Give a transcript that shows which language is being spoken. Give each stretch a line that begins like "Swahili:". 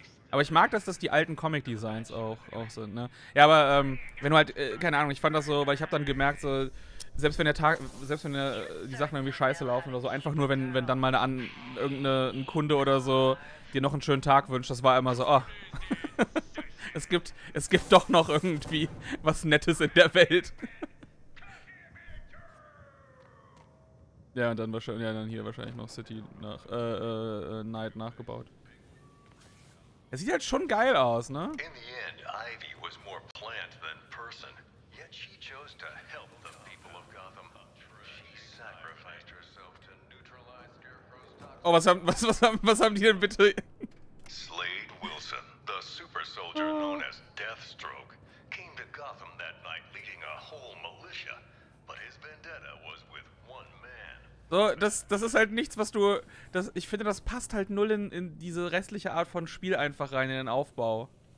German: Aber ich mag, dass das die alten Comic-Designs auch sind, ne? Ja, aber wenn du halt, keine Ahnung, ich fand das so, weil ich habe dann gemerkt, so, selbst wenn die Sachen irgendwie scheiße laufen oder so, einfach nur, wenn dann mal ein Kunde oder so dir noch einen schönen Tag wünscht, das war immer so, oh, es gibt doch noch irgendwie was Nettes in der Welt. Ja, und dann wahrscheinlich, hier wahrscheinlich noch City nach, Night nachgebaut. Er sieht halt schon geil aus, ne?
English: In the end, Ivy was more plant than person, yet she chose to help the people of Gotham. She sacrificed herself to neutralize Scarecrow's toxin.
German: Oh, was haben die denn bitte?
English: Slade Wilson, the super soldier known as Deathstroke, came to Gotham that night leading a whole militia, but his vendetta was with one man.
German: So, das ist halt nichts, was du... Das, ich finde, das passt halt null in diese restliche Art von Spiel einfach rein, in den Aufbau.